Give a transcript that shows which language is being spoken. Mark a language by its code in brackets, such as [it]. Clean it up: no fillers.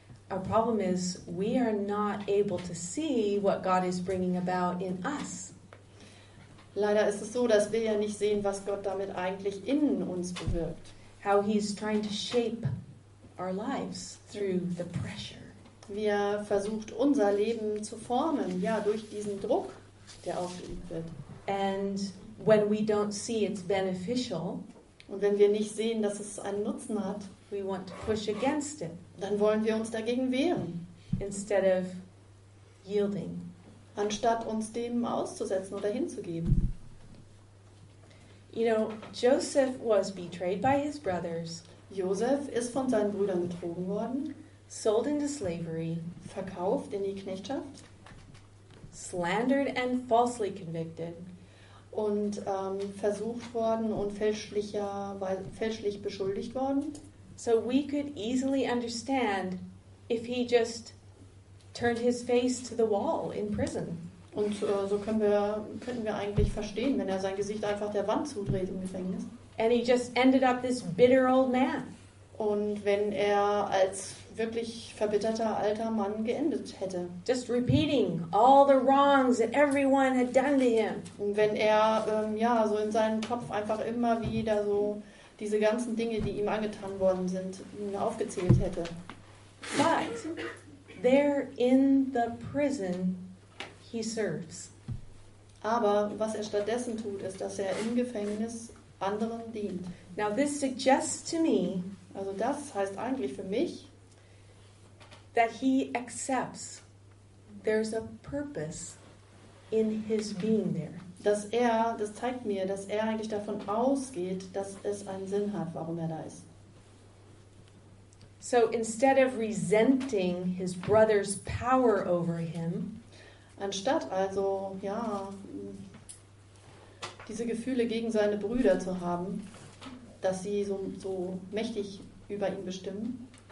[en] Our problem is we are not able to see what God is bringing about in us. [de] Leider ist es so, dass wir ja nicht sehen, was Gott damit eigentlich in uns bewirkt. [en] How he's trying to shape our lives through the pressure. [de] Wir versucht unser Leben zu formen, durch diesen Druck, der ausgeübt wird. [en] And when we don't see it's beneficial, [de] und wenn wir nicht sehen, dass es einen Nutzen hat, [en] We want to push against it. [de] Dann wollen wir uns dagegen wehren. [en] Instead of yielding. [de] Anstatt uns dem auszusetzen oder hinzugeben. [en] You know, Joseph was betrayed by his brothers. [de] Joseph ist von seinen Brüdern betrogen worden. [en] Sold into slavery. [de] Verkauft in die Knechtschaft. [en] Slandered and falsely convicted. [de] Und versucht worden und fälschlich beschuldigt worden. [en] So we could easily understand if he just turned his face to the wall in prison. [de] Und so könnten wir eigentlich verstehen, wenn er sein Gesicht einfach der Wand zudreht im Gefängnis. [en] And he just ended up this bitter old man. [de] Und wenn er als wirklich verbitterter alter Mann geendet hätte. [en] Just repeating all the wrongs that everyone had done to him. [de] Und wenn er so in seinem Kopf einfach immer wieder so diese ganzen Dinge, die ihm angetan worden sind, aufgezählt hätte. [en] But there in the prison he serves. [de] Aber was er stattdessen tut, ist, dass er im Gefängnis anderen dient. [en] Now this suggests to me, [de] also das heißt eigentlich für mich, [en] that he accepts there's a purpose in his being there. [de] Dass er, das zeigt mir, dass er eigentlich davon ausgeht, dass es einen Sinn hat, warum er da ist. [en] So instead of resenting his brother's power over him, [de] anstatt also, ja, diese Gefühle gegen seine Brüder zu haben, dass sie so mächtig über ihn bestimmen,